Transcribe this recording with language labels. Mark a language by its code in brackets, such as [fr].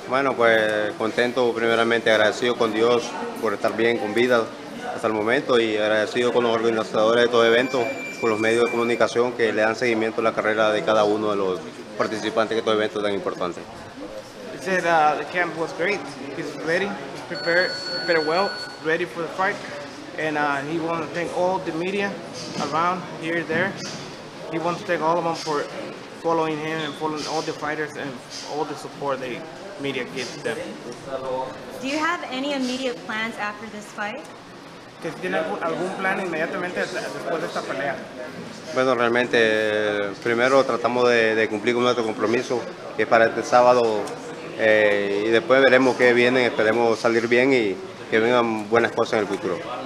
[es] Bueno, pues contento, primeramente agradecido con Dios por estar bien, con vida hasta el momento, y agradecido con los organizadores de todo evento, con los medios de comunicación que le dan seguimiento a la carrera de cada uno de los participantes, que todo evento es tan importante. Dice, [en] the camp was great. He's ready, he's prepared well, ready for the fight. And he wants to thank all the media around here, there. He wants to thank all of them for following him and following all the fighters and all the support the media gives them. Do you have any immediate plans after this fight? [es] ¿Tiene algún plan inmediatamente después de esta pelea? Bueno, realmente, primero tratamos de cumplir con nuestro compromiso, que es para este sábado, y después veremos qué viene. Esperemos salir bien y que vengan buenas cosas en el futuro.